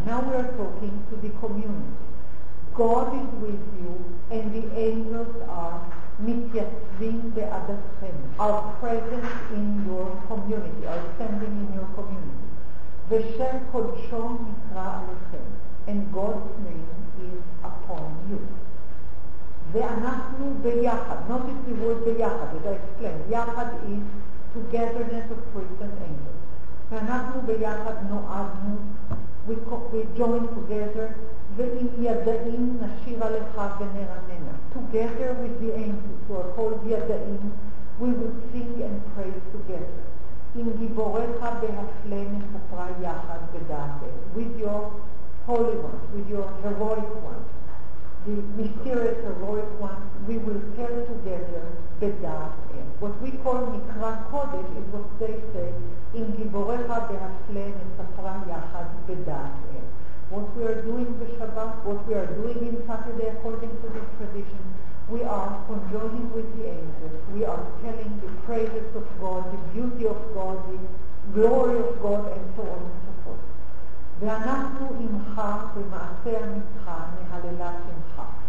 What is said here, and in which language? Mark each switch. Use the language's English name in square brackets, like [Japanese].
[English] Now we are talking to the community. God is with you and the angels are [Hebrew] מתייצבים בעדכם, [English] are present in your community, are standing in your community. [Hebrew] ושם קודשו נקרא עליכם, [English] and God's name is upon you. [Hebrew] ואנחנו ביחד, [English] notice the word ביחד, as I explained, יחד is togetherness of priests and angels. [Hebrew] ואנחנו ביחד נועדנו, [English] we join together, [Hebrew] ועם ידעים נשיר עליך ונרננה. [English] Together with the angels who are called ידעים, we would sing and pray together. [Hebrew] עם גיבוריך בהפלא נספרה יחד בדעתך. [English] With your holy ones, with your heroic ones, the mysterious heroic ones, we will tell together בדעתך. What we call מקרא קודש is what they say, [Hebrew] עם גיבוריך בהפלא נספרה יחד בדעתך. [English] What we are doing the Shabbat, what we are doing in Saturday according to this tradition, we are conjoining with the angels, we are telling the praises of God, the beauty of God, the glory of God, and so on and so forth. [Hebrew] Ve'anachnu imcha v'ma'aseh amitcha nehalela simcha.